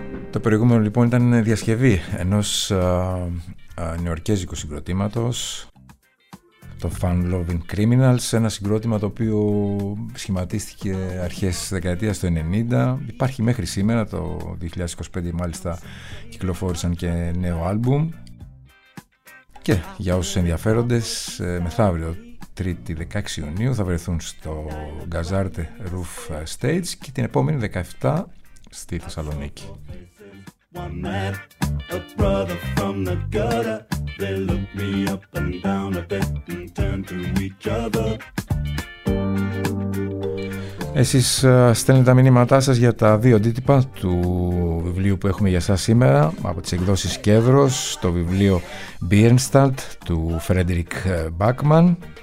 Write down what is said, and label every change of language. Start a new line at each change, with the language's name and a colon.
Greek: Το προηγούμενο λοιπόν ήταν διασκευή ενός νεοαρκέζικου συγκροτήματος, το Fun Loving Criminals, ένα συγκρότημα το οποίο σχηματίστηκε αρχές της δεκαετίας του 90, υπάρχει μέχρι σήμερα, το 2025 μάλιστα κυκλοφόρησαν και νέο άλμπουμ, και για όσους ενδιαφέροντες, μεθαύριο 3η 16 Ιουνίου θα βρεθούν στο Gazarte Roof Stage και την επόμενη 17 στη Θεσσαλονίκη.
English: One night, a brother from the gutter, they looked me up and down a bit and turned to each other.
Greek: Εσείς στέλνετε τα μηνύματά σας για τα δύο αντίτυπα του βιβλίου που έχουμε για σας σήμερα από τις εκδόσεις Κέδρος, το βιβλίο Bierenstadt του Frederick Backman.